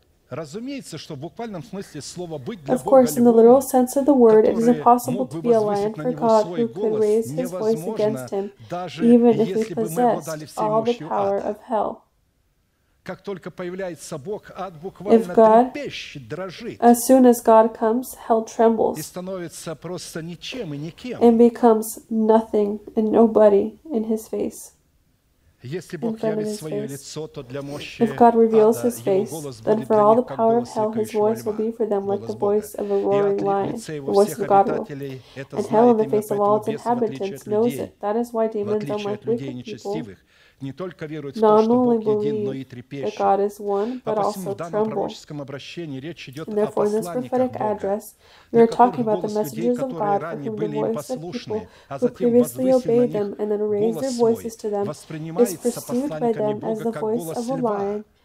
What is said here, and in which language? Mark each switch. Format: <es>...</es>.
<ru>Разумеется, что в буквальном смысле слово быть для Бога.</ru> <en>Of course, in the literal sense of the word, it is impossible to be a lion for God who could raise his voice against him, even if he possessed all the power of hell.</en> <ru>Как только появляется Бог, ад буквально трепещет, дрожит.</ru> <en>As soon as God comes, hell trembles.</en> <ru>И становится просто ничем и никем.</ru> <en>And becomes nothing and nobody in His face.</en> <ru>Если Бог явит свое лицо, то для мощи</ru> <en>if God reveals His face, then for all the power of hell, His voice will be for them like the voice of a roaring lion, the voice of God. And hell in the face of all its inhabitants knows it. That is why demons don't like wicked people.</en> <ru>Не только верует в то, что Бог един, но и трепещет.</ru> <en>One,</en> <ru>а посему в данном Пророческом обращении речь идет</ru> <en>therefore,</en> <ru>о посланниках</ru> <en>prophetic address,</en> <ru>Бога, на которых голос людей, God, которые ранее были послушны, а затем возвысили на них</ru> <en>them,</en> <ru>голос свой, воспринимается посланниками Бога как голос льва,</ru>